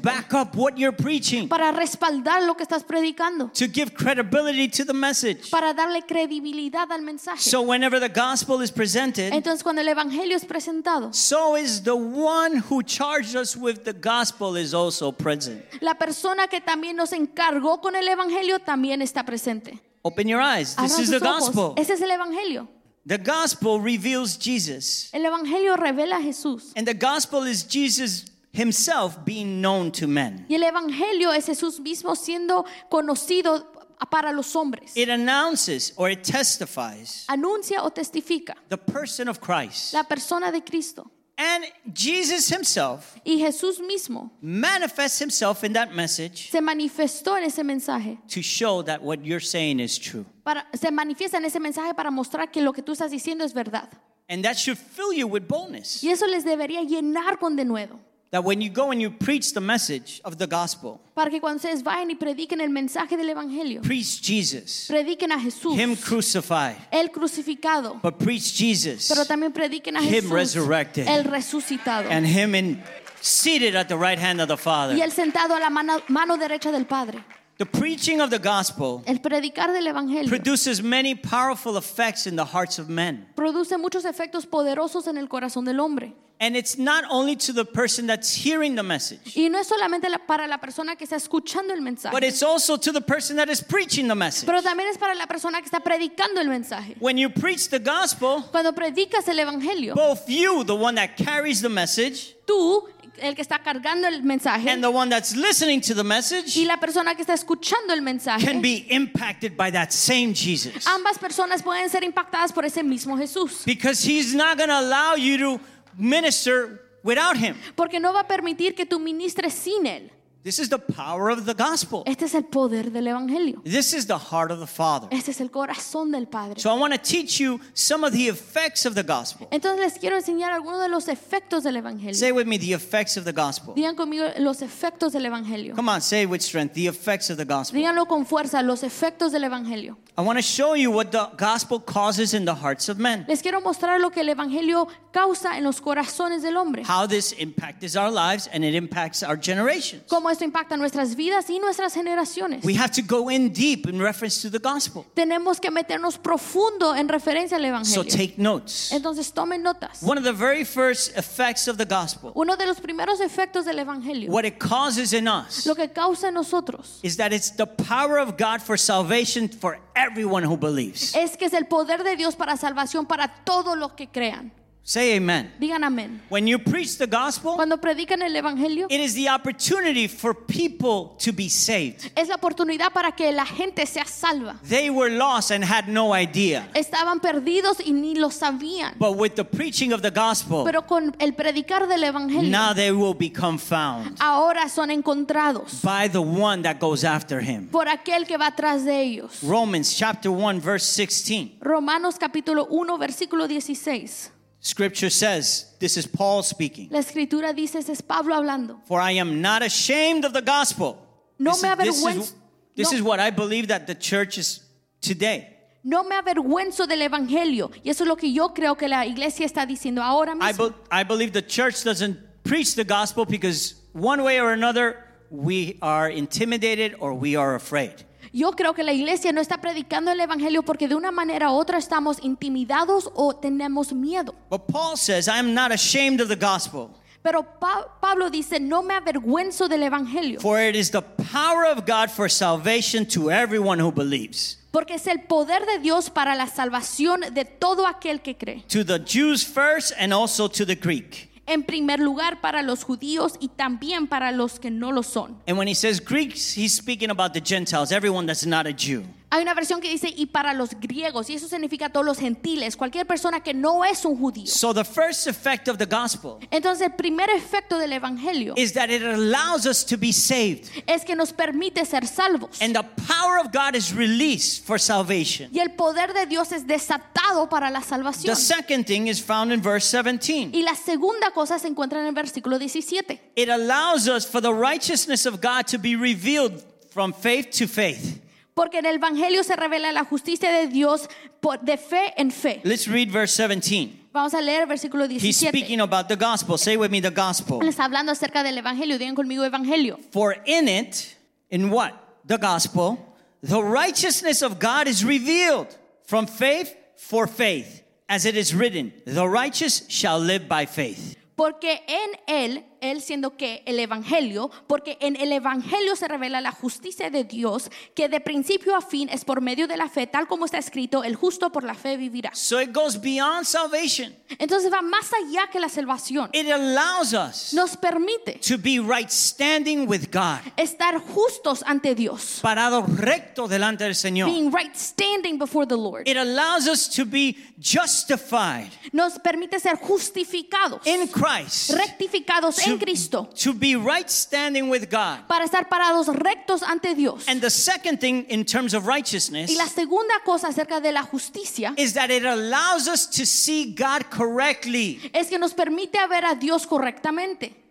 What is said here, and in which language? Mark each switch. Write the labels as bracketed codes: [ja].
[en] To back up what you're preaching. [es] Para respaldar lo que estás predicando. [en] To give credibility to the message. [es] Para darle credibilidad al mensaje. [en] So whenever the gospel is presented, [es] entonces cuando el evangelio es presentado, [en] so is the one who charged us with the gospel is also present. [es] La persona que también nos encargó con el evangelio también está presente. [en] Open your eyes. This is the gospel. [es] Ese es el evangelio. [en] The gospel reveals Jesus. [es] El evangelio revela a Jesús. [en] And the gospel is Jesus himself being known to men. [es] Y el evangelio es Jesús mismo siendo conocido para los hombres. [en] It announces or it testifies. [es] Anuncia o testifica. [en] The person of Christ. [es] La persona de Cristo. [en] And Jesus himself, [es] y Jesús mismo, [en] manifests himself in that message, [es] se manifestó en ese mensaje, [en] to show that what you're saying is true. [es] Para, se manifiesta en ese mensaje para mostrar que lo que tú estás diciendo es verdad. [en] And that should fill you with boldness. [es] Y eso les debería llenar con denuedo. [en] That when you go and you preach the message of the gospel, [es] para que cuando ustedes vayan y prediquen el mensaje del evangelio, [en] preach Jesus, [es] prediquen a Jesús, [en] him crucified, [es] el crucificado, [en] but preach Jesus, [es] pero también prediquen a [en] him [es] Jesús, [en] resurrected, [es] el resucitado, [en] and him seated at the right hand of the Father, [es] y el sentado a la mano derecha del Padre. [en] The preaching of the gospel, [es] el predicar del evangelio, [en] produces many powerful effects in the hearts of men. [es] Produce muchos efectos poderosos en el corazón del hombre. [en] And it's not only to the person that's hearing the message. [es] Y no es solamente para la persona que está escuchando el mensaje. [en] But it's also to the person that is preaching the message. [es] Pero también es para la persona que está predicando el mensaje. [en] When you preach the gospel, [es] cuando predicas el evangelio, [en] both you, the one that carries the message, [es] tú, el que está cargando el mensaje, [en] and the one that's listening to the message, [es] y la persona que está escuchando el mensaje, [en] can be impacted by that same Jesus. [es] Ambas personas pueden ser impactadas por ese mismo Jesús. [en] Because he's not going to allow you to minister without him. [es] Porque no va a permitir que tú ministres sin él. [en] This is the power of the gospel. [es] Este es el poder del evangelio. [en] This is the heart of the Father. [es] Este es el corazón del Padre. [en] So I want to teach you some of the effects of the gospel. [es] Entonces les quiero enseñar algunos de los efectos del evangelio. [en] Say with me, the effects of the gospel. [es] Digan conmigo los efectos del evangelio. [en] Come on, say with strength, the effects of the gospel. [es] Díganlo con fuerza, los efectos del evangelio. [en] I want to show you what the gospel causes in the hearts of men. [es] Les quiero mostrar lo que el evangelio causa en los corazones del hombre. [en] How this impacts our lives and it impacts our generations. [es] Cómo esto impacta nuestras vidas y nuestras generaciones. [en] We have to go in deep in reference to the gospel. [es] Tenemos que meternos profundo en referencia al evangelio. [en] So take notes. [es] Entonces tomen notas. [en] One of the very first effects of the gospel. [es] Uno de los primeros efectos del evangelio. [en] What it causes in us. [es] Lo que causa en nosotros. [en] Is that it's the power of God for salvation for everyone who believes. [es] Es que es el poder de Dios para salvación para todos los que crean. [en] Say amen. [es] Digan amen. [en] When you preach the gospel, [es] cuando predican el evangelio, [en] it is the opportunity for people to be saved. [es] Es la oportunidad para que la gente sea salva. [en] They were lost and had no idea. [es] Estaban perdidos y ni lo sabían. [en] But with the preaching of the gospel, [es] pero con el predicar del evangelio, [en] now they will become found. [es] Ahora son encontrados. [en] By the one that goes after him. [es] Por aquel que va tras de ellos. [en] Romans chapter 1 verse 16. [es] Romanos capítulo 1 versículo 16. [en] Scripture says, this is Paul speaking. [es] La escritura dice, es Pablo hablando. [en] For I am not ashamed of the gospel. [es] No me avergüenzo. [en] This is what I believe that the church is today. [es] No me avergüenzo del evangelio. Y eso es lo que yo creo que la iglesia está diciendo ahora mismo. [en] I believe the church doesn't preach the gospel because one way or another we are intimidated or we are afraid. [es] Yo creo que la iglesia no está predicando el evangelio porque de una manera u otra estamos intimidados o tenemos miedo. [en] But Paul says, I am not ashamed of the gospel. [es] Pero Pablo dice, no me avergüenzo del evangelio. [en] For it is the power of God for salvation to everyone who believes. [es] Porque es el poder de Dios para la salvación de todo aquel que cree. [en] To the Jews first and also to the Greek. [es] En primer lugar para los judíos y también para los que no lo son. [en] And when he says Greeks, he's speaking about the Gentiles, everyone that's not a Jew. [es] Hay una versión que dice y para los griegos, y eso significa todos los gentiles, cualquier persona que no es un judío. [en] So the first effect of the gospel. [es] Entonces el primer efecto del evangelio. [en] Is that it allows us to be saved. [es] Es que nos permite ser salvos. [en] And the power of God is released for salvation. [es] Y el poder de Dios es desatado para la salvación. [en] The second thing is found in verse 17. [es] Y la segunda cosa se encuentra en el versículo 17. [en] It allows us for the righteousness of God to be revealed from faith to faith. [es] Porque en el evangelio se revela la justicia de Dios de fe en fe. [en] Let's read verse 17. [es] Vamos a leer versículo 17. [en] He's speaking about the gospel. Say with me the gospel. [es] Él está hablando acerca del evangelio. Digan conmigo evangelio. [en] For in it, in what? The gospel, the righteousness of God is revealed from faith for faith, as it is written, the righteous shall live by faith. [es] Porque en él, él siendo que el evangelio, porque en el evangelio se revela la justicia de Dios, que de principio a fin es por medio de la fe, tal como está escrito, el justo por la fe vivirá. [en] So it goes beyond salvation. [es] Entonces va más allá que la salvación. [en] It allows us. [es] Nos permite. [en] To be right standing with God. [es] Estar justos ante Dios. Parado recto delante del Señor. [en] Being right standing before the Lord. It allows us to be justified. [es] Nos permite ser justificados. [en] In Christ. [es] Rectificados. [en] To be right standing with God. [es] Para estar parados rectos ante Dios. [en] And the second thing in terms of righteousness. [es] Y la segunda cosa acerca de la justicia. [en] Is that it allows us to see God correctly. [es] Es que nos permite ver a Dios correctamente.